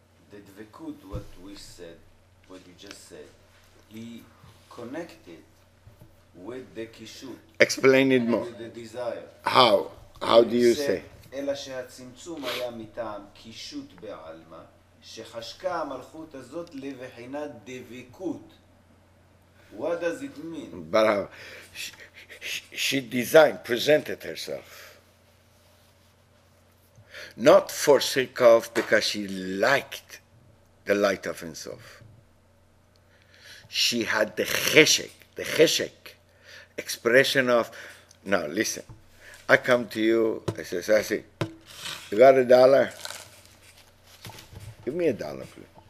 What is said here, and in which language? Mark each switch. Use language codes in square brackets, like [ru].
[en] The divikut, what we said, what you just said, he connected with the kishut. Explain it more. The desire. How? How do you say? [he] אלא שהצמצום היה מטעם קישוט בעלמה, שחשקה המלכות הזאת לבחינת דביקות. [en] What does it mean? But she designed, presented herself. Not for sake of, because she liked the light of himself. She had the cheshek, expression of, now listen, I come to you, I say, Sassy, you got a dollar? Give me a dollar, please.